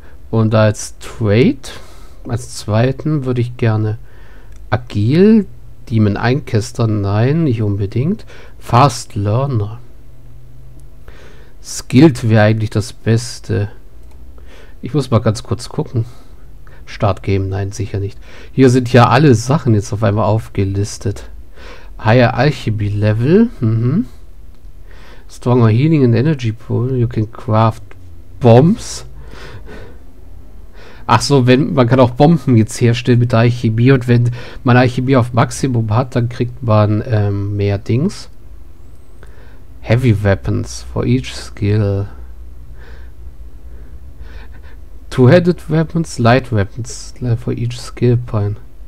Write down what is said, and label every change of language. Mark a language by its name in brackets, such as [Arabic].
[German] Und als Trade, als zweiten, würde ich gerne agil, Demon Einkästern, nein, nicht unbedingt. Fast Learner. Skilled wäre eigentlich das Beste. Ich muss mal ganz kurz gucken. Start Game, nein, sicher nicht. Hier sind ja alle Sachen jetzt auf einmal aufgelistet. [English] Higher Alchemy Level, Stronger Healing and Energy Pool, you can craft Bombs. [German] Ach so, wenn man kann auch Bomben jetzt herstellen mit der Alchemie und wenn man Alchemie auf Maximum hat, dann kriegt man mehr Dings. [English] Heavy Weapons for each skill. Two-Headed Weapons, Light Weapons for each skill point.